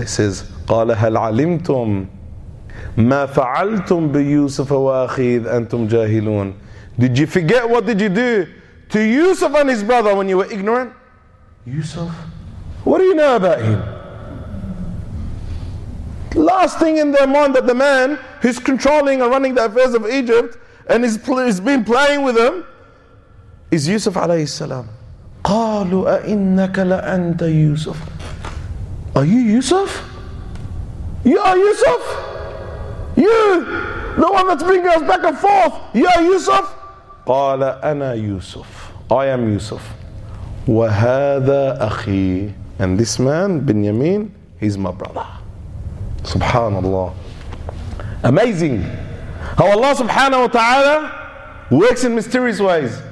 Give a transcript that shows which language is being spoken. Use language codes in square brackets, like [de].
[en] He says, [ar] قَالَ هَلْ عَلِمْتُمْ مَا فَعَلْتُمْ بِيُوسُفَ وَأَخِيذْ أَنْتُمْ جَاهِلُونَ [en] Did you forget what did you do to Yusuf and his brother when you were ignorant? Yusuf, what do you know about him? Last thing in their mind that the man who's controlling and running the affairs of Egypt and has been playing with them is Yusuf alayhi salam. [ar] قَالُوا أَإِنَّكَ لَأَنْتَ يُوسُف [en] Are you Yusuf? You are Yusuf? You, the one that's bringing us back and forth, you are Yusuf? [ar] قَالَ أَنَا يُوسُف [en] I am Yusuf. [ar] وَهَذَا أَخِي [en] And this man, Binyamin, he's my brother. Subhanallah. Amazing. How Allah subhanahu wa ta'ala works in mysterious ways.